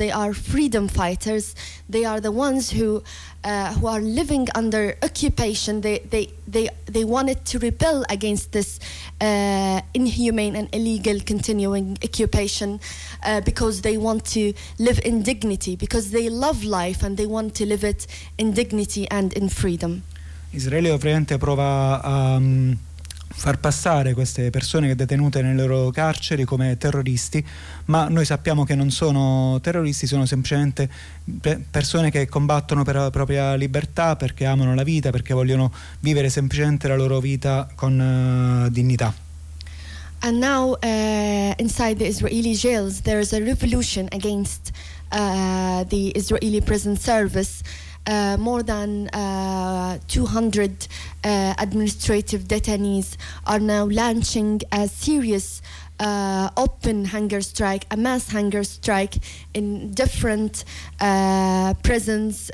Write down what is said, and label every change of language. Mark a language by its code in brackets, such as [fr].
[en] They are freedom fighters. They are the ones who are living under occupation. They wanted to rebel against this inhumane and illegal continuing occupation because they want to live in dignity, because they love life and they want to live it in dignity and in freedom. [it] Israele ovviamente prova far passare queste persone detenute nelle loro carceri come terroristi, ma noi sappiamo che non sono terroristi, sono semplicemente persone che combattono per la propria libertà, perché amano la vita, perché vogliono vivere semplicemente la loro vita con dignità. [en] And now inside the Israeli jails there is a revolution against the Israeli prison service. More than 200 administrative detainees are now launching a serious open hunger strike, a mass hunger strike in different prisons.